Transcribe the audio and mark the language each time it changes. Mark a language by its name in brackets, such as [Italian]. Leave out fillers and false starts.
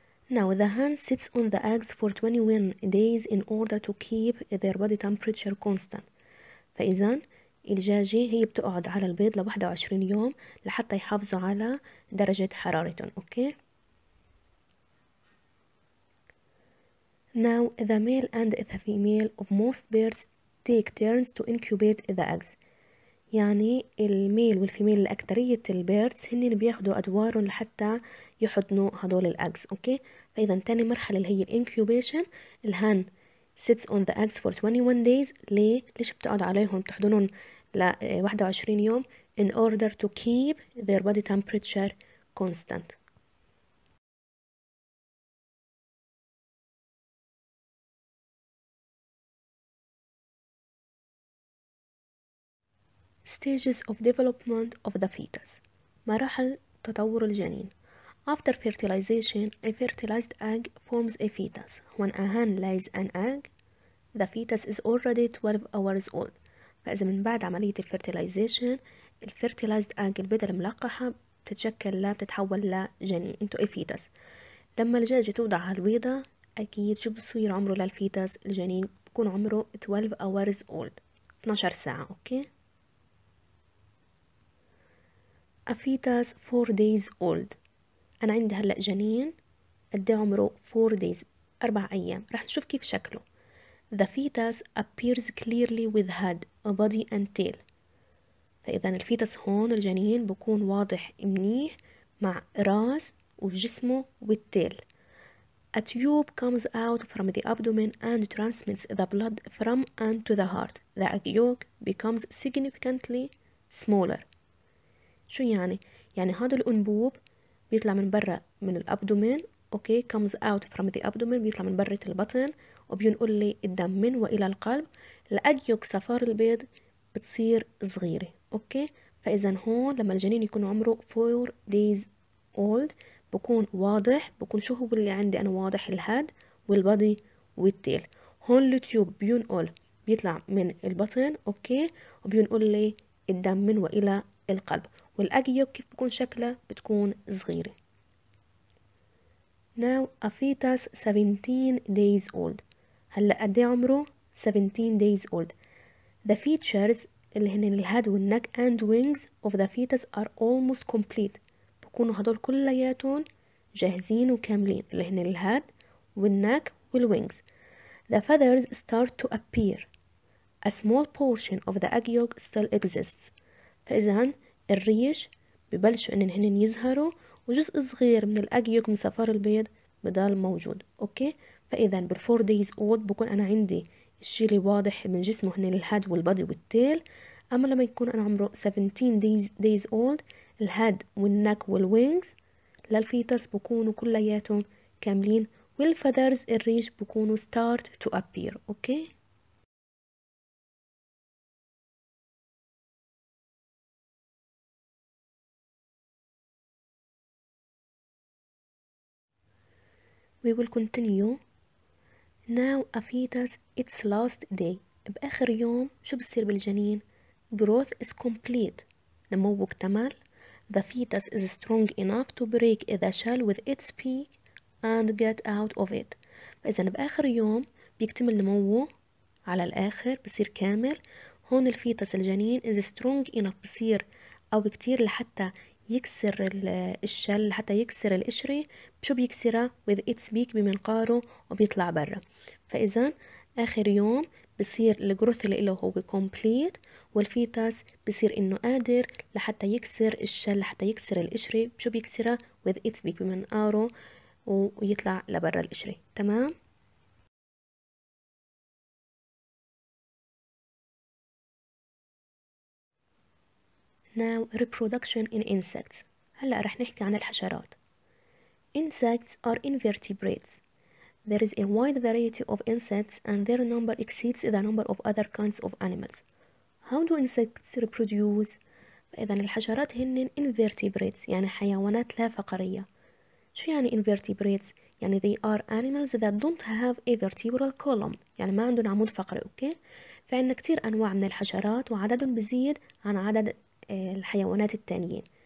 [English] Now the hen sits on the eggs for 21 days in order to keep their body temperature constant. [Arabic] فإذا الجاجي هي بتقعد على البيض ل 21 يوم لحتى يحافظوا على درجة حرارتهم. Okay. [English] Now, the male and the female of most birds take turns to incubate the eggs. [Arabic] يعني الميل والفيميل الأكترية البيرتس هنين بياخدوا أدوارهم لحتى يحضنوا هدول الأجز. أوكي، فإذا تاني مرحلة اللي هي الانكوبيشن، الهان [English] sits on the eggs for 21 days. [Arabic] ليه؟ ليش بتقعد عليهم بتحضنهم ل 21 يوم؟ [English] in order to keep their body temperature constant. Stages of development of the fetus. [Arabic] مراحل تطور الجنين. [English] After fertilization, a fertilized egg forms a fetus. When a hen lays an egg, the fetus is already 12 hours old. [Arabic] فإذا من بعد عملية fertilization, الفيرتيلايزد egg البيضة الملقحة بتتشكل لا بتتحول لجنين [English] into a fetus. [Arabic] لما الدجاجة توضع على البيضة أكيد شو بصير عمره للفيتس؟ الجنين بكون عمره [English] 12 hours old، [Arabic] 12 ساعة. [English] Okay, a fetus 4 days old. [Arabic] أنا عندي هلأ جنين قدي عمره [English] 4 days، [Arabic] 4 أيام. رح نشوف كيف شكله. [English] The fetus appears clearly with head, a body and tail. [Arabic] فإذا الفيتس هون الجنين بكون واضح منيح مع راس وجسمه والتيل. [English] A tube comes out from the abdomen and transmits the blood from and to the heart. The egg yolk becomes significantly smaller. [Arabic] شو يعني؟ يعني هذا الأنبوب بيطلع من برا من الأبدومين. أوكي، [English] comes out from the abdomen، [Arabic] بيطلع من برة البطن وبينقل لي الدم من وإلى القلب. الأجيوك يوك صفار البيض بتصير صغيرة. أوكي، فإذا هون لما الجنين يكون عمره [English] 4 days old [Arabic] بكون واضح، بكون شو هو اللي عندي أنا؟ واضح الهاد والبادي والتيل. هون اليوتيوب بينقل، بيطلع من البطن أوكي وبينقل لي الدم من وإلى القلب. والأجيوك كيف بكون شكلها؟ بتكون صغيرة. [English] Now a fetus 17 days old. [Arabic] هلأ قدي عمره؟ [English] 17 days old. The features [Arabic] اللي هن الهاد والنك [English] and wings of the fetus are almost complete. [Arabic] بكونوا هدول كلياتهم جاهزين وكاملين، اللي هن الهاد والنك والwings. [English] The feathers start to appear. A small portion of the egg yolk still exists. [Arabic] فإذا الريش ببلشوا إن هن يظهروا وجزء صغير من الأج يوك من صفار البيض بضل موجود. أوكي، فإذا بالفور دايز أود بكون أنا عندي الشي اللي واضح من جسمه هن الهاد والبادي والتيل. أما لما يكون أنا عمره 17 دايز أود، الهاد والنك والوينجز للفيتس بكونوا كلياتهم كاملين، والفذرز الريش بكونوا [English] start to appear. Okay, we will continue. Now a fetus, its last day. [Arabic] بآخر يوم شو بصير بالجنين؟ [English] Growth is complete. [Arabic] نمو اكتمل. [English] The fetus is strong enough to break the shell with its beak and get out of it. [Arabic] فإذا بآخر يوم بيكتمل نموه على الآخر، بصير كامل. هون الفيتس الجنين [English] is strong enough، [Arabic] بصير قوي كتير لحتى يكسر الشل، حتى يكسر القشرة. بشو بيكسرها؟ [English] with its beak، [Arabic] بمنقاره وبيطلع برا. فإذا آخر يوم بصير الجروث اللي له هو complete، والفيتاس بصير إنه قادر لحتى يكسر الشل، حتى يكسر القشرة. بشو بيكسرها؟ [English] with its beak، [Arabic] بمنقاره ويطلع لبرا القشرة. [English] تمام؟ Now reproduction in insects. [Arabic] هلأ رح نحكي عن الحشرات. [English] Insects are invertebrates. There is a wide variety of insects and their number exceeds the number of other kinds of animals. How do insects reproduce? [Arabic] فإذا الحشرات هن invertebrates، يعني حيوانات لا فقرية. شو يعني invertebrates؟ يعني [English] they are animals that don't have a vertebral column، [Arabic] يعني ما عندهم عمود فقري. أوكي، فعندنا كتير أنواع من الحشرات وعددهم بزيد عن عدد الحيوانات التانيين.